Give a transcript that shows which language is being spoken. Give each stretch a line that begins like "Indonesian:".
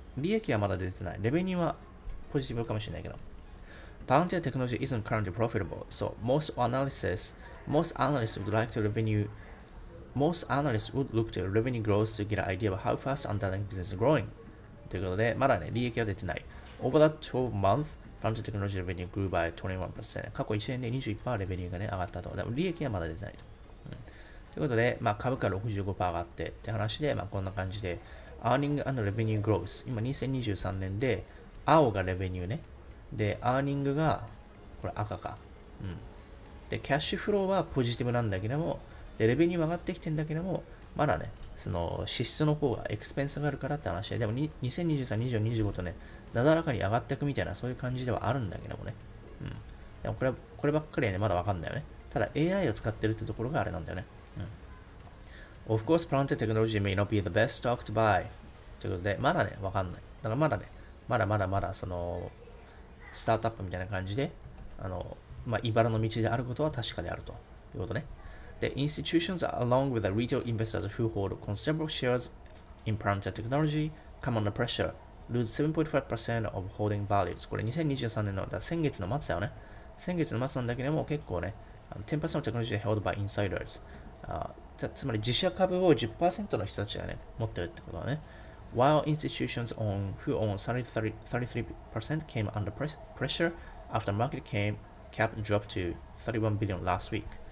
Japanese: 利益はまだ出てない。レベニューはポジティブかもしれないけど。
English: Palantir technology isn't currently profitable, so most analysts would look to revenue growth to get an idea of how fast underlying business is growing.
Japanese: ということで、まだね、利益は出てない。
English: Over that 12 month, Palantir technology revenue grew by 21%.
Japanese: 過去1年で 21% レベニューが、ね、上がったと。でも利益はまだ出てないと。ということで、まあ、株価 65% 上がってって話で、まあ、こんな感じで、
English: Earning and revenue growth。
Japanese: 今2023年で、青がレベニューね。で、アーニングが、これ赤か。で、キャッシュフローはポジティブなんだけども、で、レベニュー上がってきてんだけども、まだね、その、支出の方が、エクスペンスがあるからって話で、でも、2023、24、25とね、なだらかに上がっていくみたいな、そういう感じではあるんだけどもね。でも、こればっかりはね、まだわかんないよね。ただ、AI を使ってるってところがあれなんだよね。
English: Of course, Palantir technology may not be the best stock to buy.
Japanese: ということで、まだね、わかんない。だから、まだね、まだ、その、スタートアップみたいな感じで、まあ、茨の道であることは確かであるということね。
English: で、institutions along with the retail investors who hold considerable shares in Palantir technology come under pressure, lose 7.5% of holding values.
Japanese: これ2023年の、だ先月の末だよね。先月の末なんだけども結構ね、
English: 10% of technology held by insiders。
Japanese: つまり自社株を 10% の人たちがね、持ってるってことだね。
English: While institutions who own 33% came under pressure after market cap dropped to $31 billion last week.